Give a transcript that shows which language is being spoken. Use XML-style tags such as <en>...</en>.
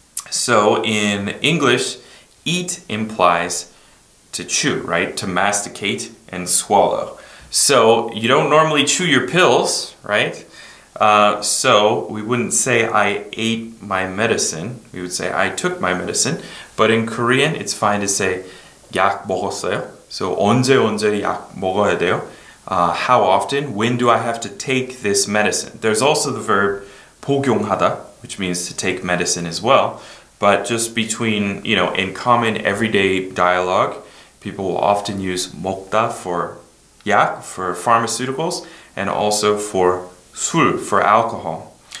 <en>So in English, eat implies to chew, right? To masticate and swallow. So you don't normally chew your pills, right? So we wouldn't say I ate my medicine. We would say I took my medicine. But in Korean, it's fine to say</en> <ko>약 먹었어요. So 언제 언제 약 먹어야 돼요?</ko> <en>How often? When do I have to take this medicine? There's also the verb 복용하다, which means to take medicine as well. But just between, you know, in common everyday dialogue, people will often use 먹다 for 약, for pharmaceuticals, and also for 술, for alcohol.</en>